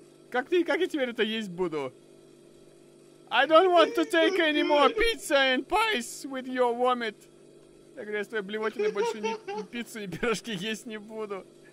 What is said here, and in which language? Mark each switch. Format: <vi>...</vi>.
<ru>Как я теперь это есть буду?</ru> <en>I don't want to take any more pizza and pies with your vomit.</en> <ru>Я говорю, я с твоей блевотиной больше ни пиццу, ни пирожки есть не буду.</ru>